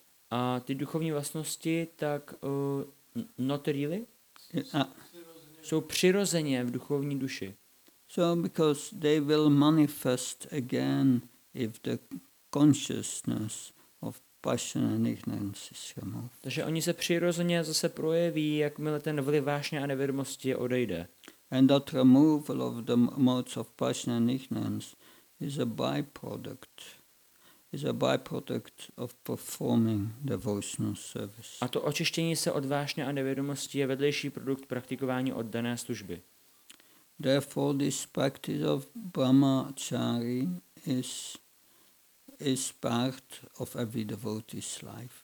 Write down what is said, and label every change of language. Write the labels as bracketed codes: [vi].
[cs] A ty duchovní vlastnosti tak [en] not really? [cs] Jsou přirozeně v duchovní duši. [en] So because they will manifest again if the consciousness of passion and ignorance is removed. [cs] Takže oni se přirozeně zase projeví, jakmile ten vliv vášně a nevědomosti odejde. [en] And that removal of the modes of passion and ignorance is a byproduct. Is a byproduct of performing devotional service. [cs] A to očištění se od vášně a nevědomosti je vedlejší produkt praktikování oddané služby. [en] Therefore, this practice of brahmachari is part of every devotee's life.